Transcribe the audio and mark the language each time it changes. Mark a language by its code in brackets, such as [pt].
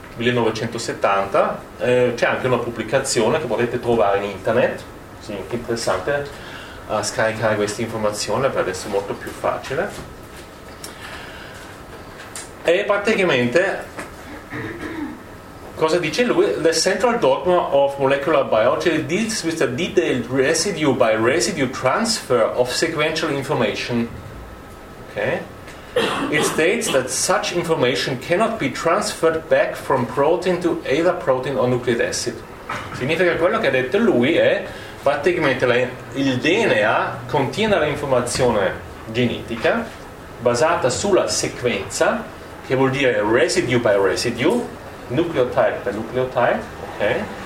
[it] 1970. C'è anche una pubblicazione che potete trovare in internet, sì, è interessante scaricare questa informazione, per adesso è molto più facile. E praticamente, cosa dice lui? [en] The central dogma of molecular biology deals with the detailed residue by residue transfer of sequential information. Okay. It states that such information cannot be transferred back from protein to either protein or nucleic acid. [it] Significa quello che ha detto lui è praticamente il DNA contiene la informazione genetica basata sulla sequenza, che vuol dire [en] residue by residue, [it] nucleotide per nucleotide, ok?